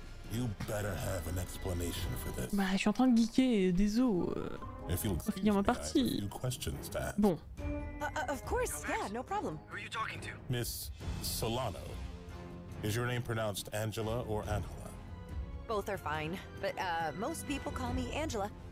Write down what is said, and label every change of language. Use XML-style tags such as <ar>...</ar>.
<en>You better have an explanation for this.</en> <fr>Bah, je suis en train de geeker, désolé.</fr> <en>If you'll excuse me, I have a few questions to ask.</en> <fr>Bon.</fr> <en>Of course, yeah, no problem. Who are you talking to? Miss Solano. Is your name pronounced Angela or Anhela? Both are fine, but most people call me Angela.</en>